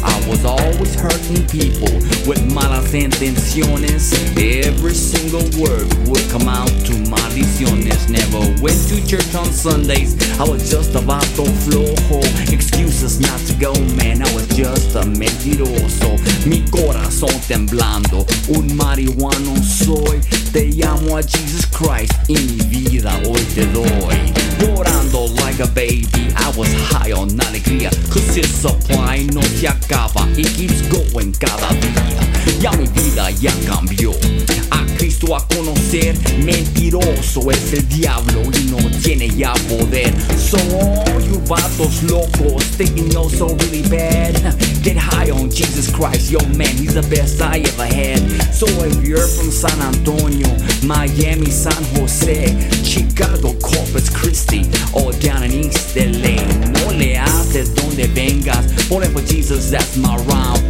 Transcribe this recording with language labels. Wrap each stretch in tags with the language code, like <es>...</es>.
<en>I was always hurting people with</en> <es>malas intenciones.</es> <en>Every single word would come out to maldiciones. Never went to church on Sundays, I was just a vato flojo. Excuses not to go, man, I was just a mentiroso.</en> <es>Mi corazón temblando, un marihuano soy. Te llamo a Jesus Christ y mi vida hoy te doy.</es> <en>Llorando like a baby, I was high on alegría. Cause his supply</en> <es>no se acaba,</es> <en>it keeps going</en> <es>cada día. Ya mi vida ya cambió, a Cristo a conocer. Mentiroso es el diablo y no tiene ya poder.</es> <en>So all you vatos locos thinking you're so really bad, get high on Jesus Christ, yo man, he's the best I ever had. So if you're from San Antonio, Miami, San Jose, Chicago, Corpus Christi, or down in East LA,</en> <es>no le haces donde vengas,</es> <en>only for Jesus, that's my rhyme.</en>